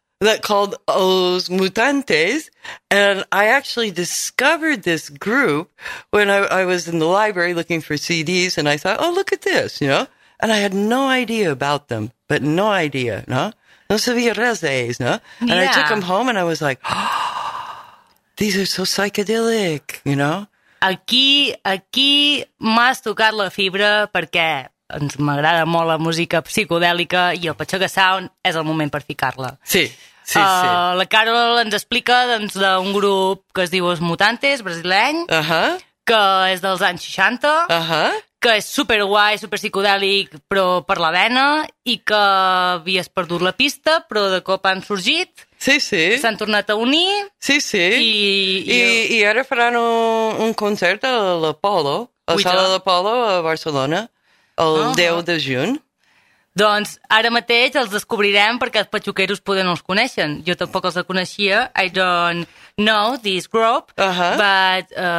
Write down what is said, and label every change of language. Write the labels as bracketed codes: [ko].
[en] That called Os Mutantes, and I actually discovered this group when I was in the library looking for CDs, and I thought, oh, look at this, you know? And I had no idea about them, but no idea, no? [ca] No sabia razes, no? And [en] yeah. I took them home, and I was like, these are so psychedelic, you know? [ca] Aquí m'has tocat la fibra perquè ens m'agrada molt la música psicodèlica i el Patxoca Sound és el moment per ficar-la. Sí. Sí, sí. La Carol ens explica doncs, d'un grup que es diu Os Mutantes, brasileny, que és dels anys 60, que és superguai, superpsicodèlic, però per la vena, i que havies perdut la pista, però de cop han sorgit, s'han tornat a unir... Sí, sí, i ara faran un concert a l'Apolo, a la sala d'Apolo a Barcelona, el 10 de juny. Doncs ara mateix els descobrirem perquè els patxoqueros poden els coneixen. Jo tampoc els coneixia. [en] I don't know this group, but...